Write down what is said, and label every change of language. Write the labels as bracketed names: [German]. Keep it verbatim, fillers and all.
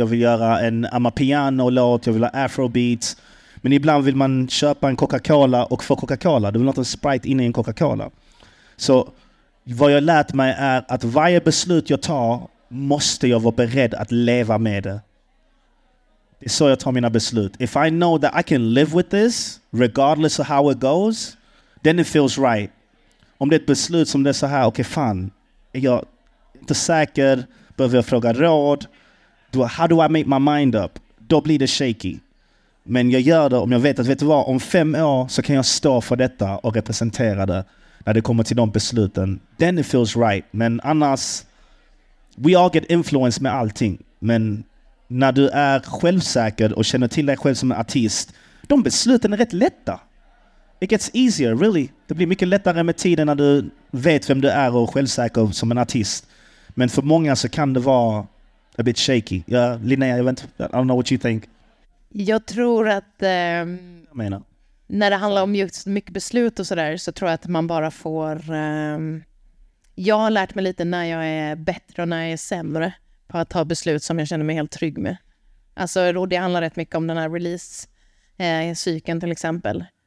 [Swedish] Jag vill göra en amapiano-låt, jag vill ha afrobeats. Men ibland vill man köpa en Coca-Cola och få Coca-Cola. Du vill inte ha en Sprite inne i en Coca-Cola. Så vad jag lärt mig är att varje beslut jag tar måste jag vara beredd att leva med det. Det är så jag tar mina beslut. [English] If I know that I can live with this, regardless of how it goes, then it feels right. [Swedish] Om det är ett beslut som det är så här, okej okay, fan, är jag inte säker? Behöver jag fråga råd? [English] Do, how do I make my mind up? [Swedish] Då blir det shaky. Men jag gör det om jag vet att, vet du vad, om fem år så kan jag stå för detta och representera det när det kommer till de besluten. [English] Then it feels right. [Swedish] Men annars, [English] we all get influenced [Swedish] med allting. Men när du är självsäker och känner till dig själv som en artist, de besluten är rätt lätta. [English] It gets easier, really. [Swedish] Det blir mycket lättare med tiden när du vet vem du är och självsäker som en artist. Men för många så kan det vara a bit shaky. Ja, Linnea, jag vet, [English] I don't know what you think. [Swedish] Jag tror att eh, jag menar. När det handlar om just mycket beslut och sådär så tror jag att man bara får... Eh, jag har lärt mig lite när jag är bättre och när jag är sämre på att ta beslut som jag känner mig helt trygg med. Alltså det handlar rätt mycket om den här release-cykeln eh, till exempel.